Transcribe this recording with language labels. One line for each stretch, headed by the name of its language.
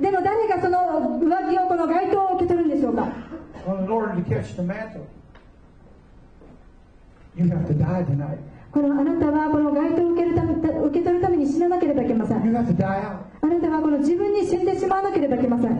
Japanese: でも誰がその上着をこの街灯を受け取るんでしょうか。
English: Well, in order to catch the mantle, you have to die tonight.
Japanese: あなたはこの街灯を受け取るために死ななければいけません。
English: You have to die out.
Japanese: あなたはこの自分に死んでしまわなければいけません。